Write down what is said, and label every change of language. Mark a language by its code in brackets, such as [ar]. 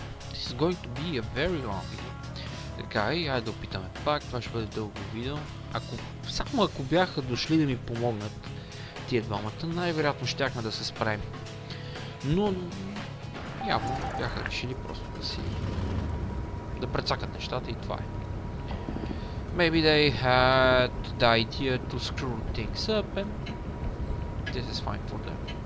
[en] This is going to be a very long game. [bg] Така, и айде да опитаме пак, това ще бъде дълго видео. Ако, само ако бяха дошли да ми помогнат тия двамата, най-вероятно щяхме да се справим. Но явно бяха решили просто да си да прецакат нещата и това е. [en] Maybe they had the idea to screw things up and this is fine for them.